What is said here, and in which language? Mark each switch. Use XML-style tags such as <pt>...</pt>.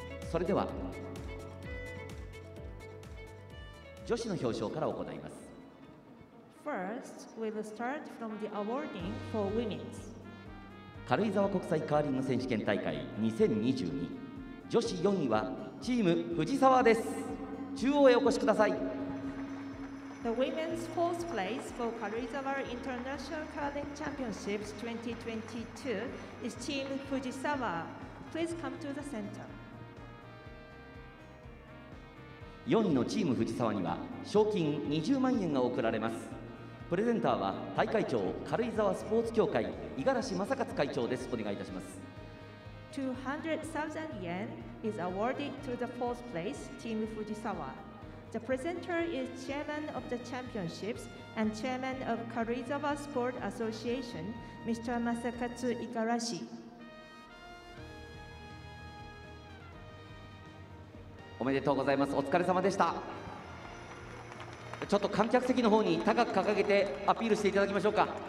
<ja>それでは女子の表彰から行います。</ja> <en>First, we'll start from the awarding for women's.</en> <ja>軽井沢国際カーリング選手権大会2022、女子4位はチーム藤沢です。中央へお越しください。</ja> <en>The women's fourth place for 軽井沢 International Curling Championships 2022 is team 藤沢。Please come to the center。</en> <ja>4位のチーム藤沢には賞金20万円が贈られます。プレゼンターは大会長軽井沢スポーツ協会五十嵐正勝会長です。お願いいたします。</ja> <en>200,000 yen is awarded to the fourth place team 藤沢。 The presenter is chairman of the championships and chairman of 軽井沢 sport association Mr.</en> <ja>正勝五十嵐、おめでとうございます。お疲れ様でした。ちょっと観客席の方に高く掲げてアピールしていただきましょうか。</ja>